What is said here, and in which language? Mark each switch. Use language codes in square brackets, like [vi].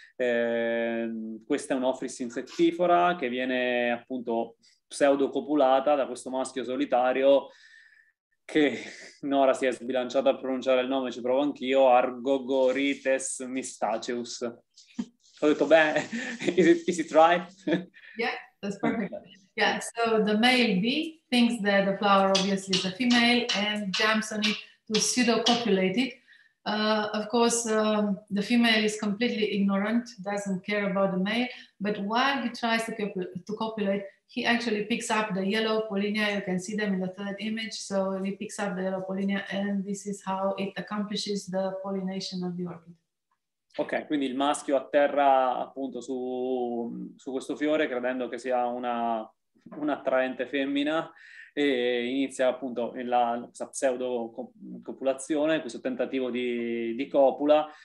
[it] Questa è un'Ophrys insectifera che viene appunto pseudocopulata da questo maschio solitario che Nora si è sbilanciata a pronunciare il nome, ci provo anch'io, Argogorites mistaceus. Ho detto bene, [en] is it try? Yeah, that's perfect. Yeah, so the male bee thinks that the flower obviously is a female and jumps on it to pseudocopulate it. Of course, the female is completely ignorant, doesn't care about the male, but while he tries to copulate, he actually picks up the yellow pollinia. You can see them in the third image. So he picks up the yellow pollinia and this is how it accomplishes the pollination of the orchid. [it] Ok, quindi il maschio atterra appunto su questo fiore credendo che sia un'attraente femmina e inizia appunto la pseudo copulazione, questo tentativo di copula.